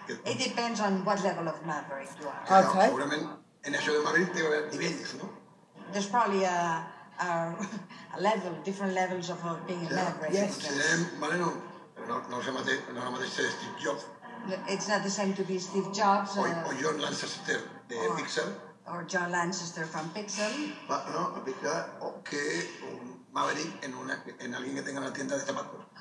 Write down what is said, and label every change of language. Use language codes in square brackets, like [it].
[ca] It depends on what level of maverick you are. Okay. Okay. En això de Madrid té nivells, no? [en] There's probably a level, different levels of being a maverick. Yes. [ca] No és el mateix ser Steve Jobs. [en] It's not the same to be Steve Jobs. [ca] O John Lancaster de Pixar. [en] Or John Lancaster from Pixar. [es] No, Pixar, o que un maverick en alguien que tenga una tienda de zapatos.